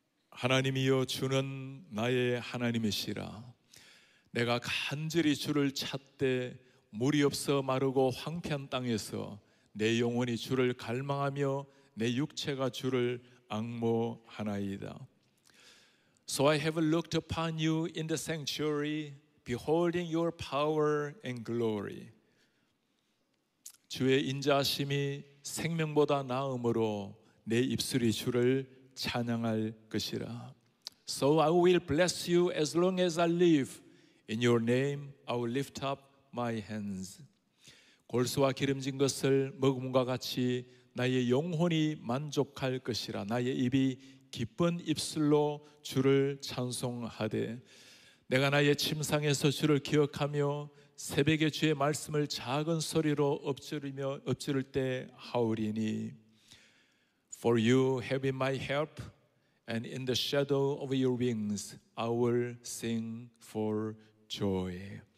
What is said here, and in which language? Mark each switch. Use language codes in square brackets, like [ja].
[ko] 하나님이여 주는 나의 하나님이시라. 내가 간절히 주를 찾되 물이 없어 마르고 황폐한 땅에서 내 영혼이 주를 갈망하며 내 육체가 주를 앙모하나이다. [en] So I have looked upon you in the sanctuary, beholding your power and glory. [ko] 주의 인자하심이 생명보다 나음으로 내 입술이 주를 찬양할 것이라. [en] So I will bless you as long as I live. In your name I will lift up my hands. [ko] 골수와 기름진 것을 먹음과 같이 나의 영혼이 만족할 것이라. 나의 입이 기쁜 입술로 주를 찬송하되 내가 나의 침상에서 주를 기억하며 새벽에 주의 말씀을 작은 소리로 엎지를 때 하오리니 [en] For you have been my help and in the shadow of your wings I will sing for joy.